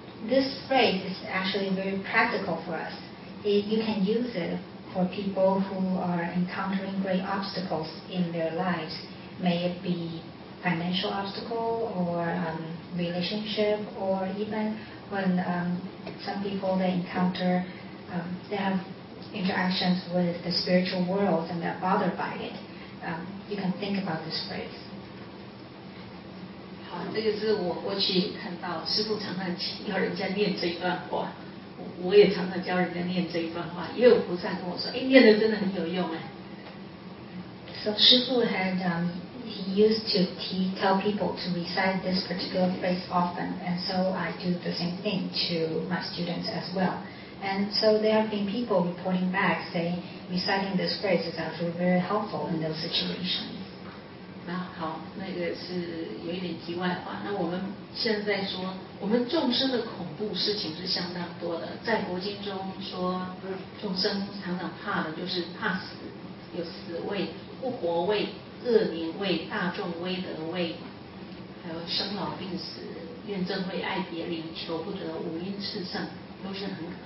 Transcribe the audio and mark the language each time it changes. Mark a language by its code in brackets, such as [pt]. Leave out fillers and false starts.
[en] This phrase is actually very practical for us. You can use it for people who are encountering great obstacles in their lives, may it be financial obstacle or relationship, or even when some people they encounter, they have. Interactions with the spiritual world and they're bothered by it. You can think about this phrase. [zh] 好，这个是我过去看到师父常常教人家念这一段话，我也常常教人家念这一段话。也有菩萨跟我说，念的真的很有用哎。 [en] So 师父 had he used to tell people to recite this particular phrase often, and so I do the same thing to my students as well. And so there have been people reporting back saying reciting this phrase is actually very helpful in those situations. [zh] 那好，那个是有一点题外话。那我们现在说，我们众生的恐怖事情是相当多的。在佛经中说，众生常常怕的就是怕死，有死畏、不活畏、恶年畏、大众威德畏，还有生老病死、怨憎会、爱别离、求不得、五阴炽盛，都是很。